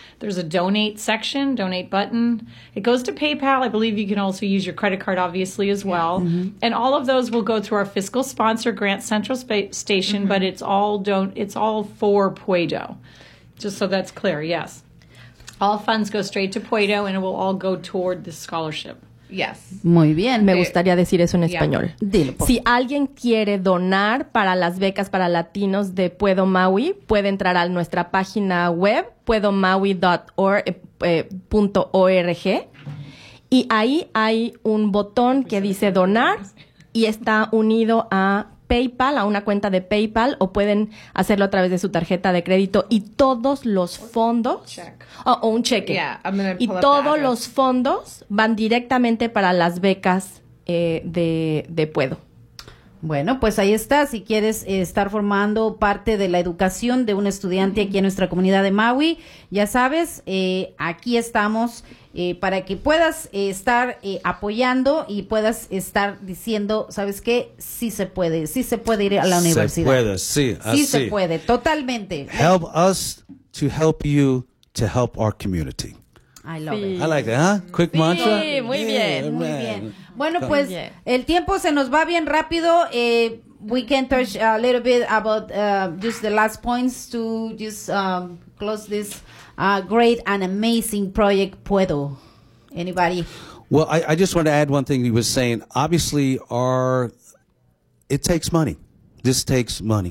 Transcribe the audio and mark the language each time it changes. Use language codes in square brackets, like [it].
[en] There's a donate section, donate button. It goes to PayPal. I believe you can also use your credit card, obviously, as well. Yeah. Mm-hmm. And all of those will go through our fiscal sponsor, Grant Central Station, mm-hmm. but it's all for Poeto. Just so that's clear, yes. All funds go straight to Poeto, and it will all go toward the scholarship. Yes. [es] Muy bien. Me gustaría decir eso en español. [en] Yeah. [es] Dilo. Si alguien quiere donar para las becas para latinos de Poeto Maui, puede entrar a nuestra página web, poetomaui.org, y ahí hay un botón que dice donar, y está unido a PayPal, a una cuenta de PayPal, o pueden hacerlo a través de su tarjeta de crédito, y todos los fondos, o un cheque, y todos los fondos van directamente para las becas de Poeto. Bueno, pues ahí está. Si quieres estar formando parte de la educación de un estudiante aquí en nuestra comunidad de Maui, ya sabes, aquí estamos para que puedas estar apoyando y puedas estar diciendo, ¿sabes qué? Sí se puede ir a la universidad. Se puede, sí, así. Sí se puede, totalmente. [en] Help us to help you to help our community. I love it. I like that, huh? Quick mantra. [es] Sí, muy bien, muy bien. Bueno, pues el tiempo se nos va bien rápido. [en] We can touch a little bit about just the last points to just close this great and amazing project, Poeto. Anybody? Well, I just want to add one thing he was saying. Obviously, it takes money. This takes money.